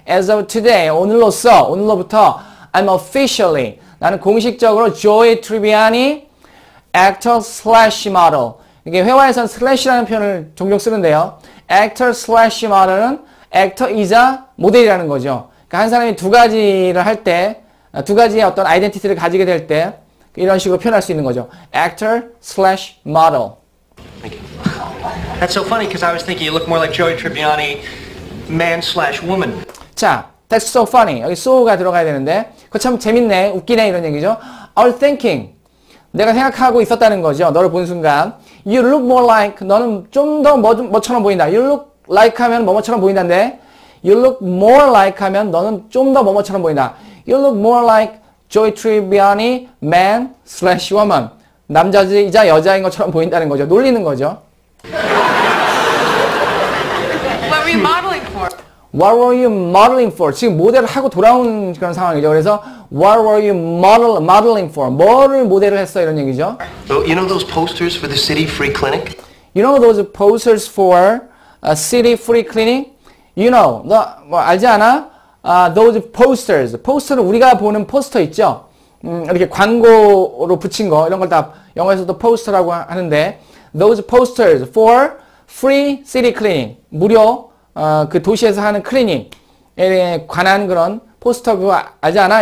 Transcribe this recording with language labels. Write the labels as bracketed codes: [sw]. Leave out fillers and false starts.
[en] As of today, [ko] 오늘로써, 오늘로부터 [en] I'm officially, [ko] 나는 공식적으로 [en] Joey Tribbiani, actor slash model. [ko] 이게 회화에선 slash라는 표현을 종종 쓰는데요. [en] actor slash model [ko] 은 actor이자 모델이라는 거죠. 그러니까 한 사람이 두 가지를 할 때, 두 가지의 어떤 아이덴티티를 가지게 될 때 이런 식으로 표현할 수 있는 거죠. [en] actor slash model. Thank you. That's so funny because I was thinking you look more like Joey Tribbiani, man slash woman. 자, that's so funny. [ko] 여기 so가 들어가야 되는데 그거 참 재밌네, 웃기네 이런 얘기죠. [en] I was thinking. [ko] 내가 생각하고 있었다는 거죠. 너를 본 순간. [en] You look more like. [ko] 너는 좀 더 뭐처럼 보인다. [en] You look like [ko] 하면 뭐뭐처럼 보인다인데. [en] You look more like [ko] 하면 너는 좀 더 뭐뭐처럼 보인다. [en] You look more like Joey Tribbiani, man slash woman. [ko] 남자이자 여자인 것처럼 보인다는 거죠. 놀리는 거죠. [en] What were you modeling for? What were you modeling for? [ko] 지금 모델을 하고 돌아온 그런 상황이죠. 그래서 [en] What were you modeling for? [ko] 뭐를 모델을 했어? 이런 얘기죠. [en] So, you know those posters for the city free clinic? You know those posters for a city free clinic? You know, [ko] 너 뭐 알지 않아? [en] Those posters. [ko] 포스터는 우리가 보는 포스터 있죠? 이렇게 광고로 붙인 거 이런 걸 다 영어에서도 포스터라고 하는데 [en] Those posters for free city cleaning. [ko] 무료 그 도시에서 하는 클리닝에 관한 그런 포스터 그거 알지 않아?